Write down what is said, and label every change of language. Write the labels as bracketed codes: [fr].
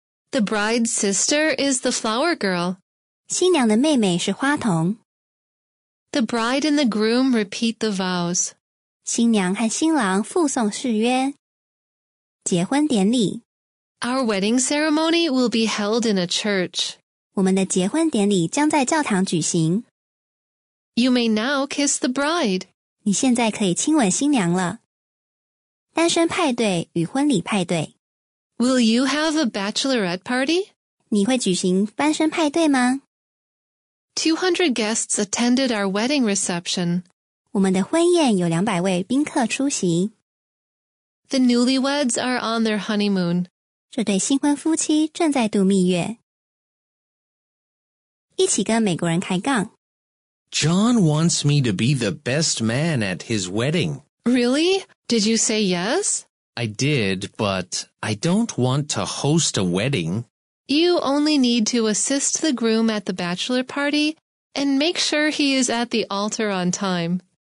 [en] The bride's sister is the flower girl. [zh] 新娘的妹妹是花童。 [en] The bride and the groom repeat the vows. [zh] 新娘和新郎复诵誓约。结婚典礼。 [en] Our wedding ceremony will be held in a church. [zh] 我们的结婚典礼将在教堂举行。 [en] You may now kiss the bride. [zh] 你现在可以亲吻新娘了。单身派对与婚礼派对。 [en] Will you have a bachelorette party? [zh] 你会举行翻身派对吗? [en] 200 guests attended our wedding reception. [zh] 我们的婚宴有200位宾客出席。 [en] The newlyweds are on their honeymoon. [zh] 这对新婚夫妻正在度蜜月。一起跟美国人开杠。 [en] John wants me to be the best man at his wedding. Really? Did you say yes? I did, but I don't want to host a wedding. You only need to assist the groom at the bachelor party and make sure he is at the altar on time.